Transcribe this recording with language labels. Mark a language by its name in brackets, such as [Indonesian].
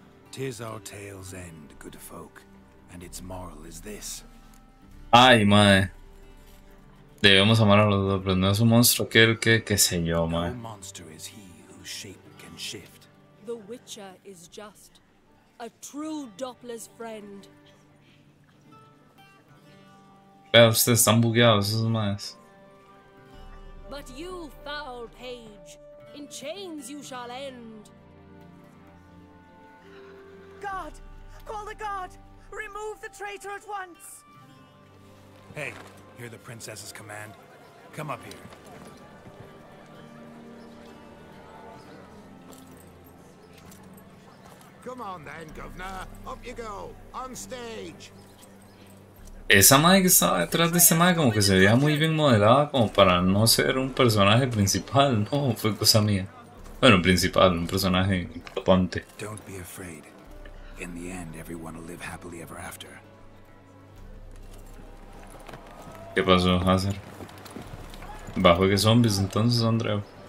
[English] Tis our tale's end, good folk, and its moral is this. [Spanish] Ay, mae. Debemos amar a los dos, pero no es un monstruo aquel que, qué sé yo, mae. [English] No monster is he whose shape can shift. The Witcher is just a true Doppler's friend. [Spanish] Pero ustedes están bugueados, esos maes. [English] But you, foul page, in chains you shall end. Guard! Call the guard! Remove the traitor at once! Hey, hear the princess's command. Come up here. Come on then, governor. Up you go. On stage. [Spanish] Esa madre que estaba detrás de esa madre como que se veía muy bien modelada como para no ser un personaje principal, ¿no? Fue cosa mía. Bueno, principal, un personaje importante. [English] Don't be afraid. In the end, everyone will live happily ever after. [Spanish] ¿Qué pasó, Hazard? ¿Bajo qué zombies entonces, Andreo?